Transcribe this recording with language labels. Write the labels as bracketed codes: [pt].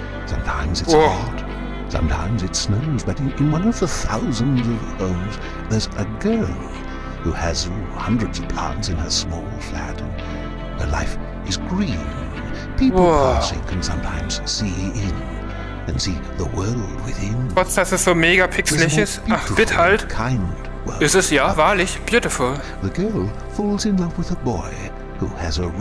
[en] Sometimes it's hot, sometimes it snows, but in one of the thousands of homes, there's a girl who has hundreds of plants in her small flat, and her life is green. People passing can sometimes see in and see the world within. [de] Trotz, dass es so mega pixelig ist, ach, bitte halt. Ist es ja, wahrlich, beautiful. [en] The girl falls in love with a boy who has a room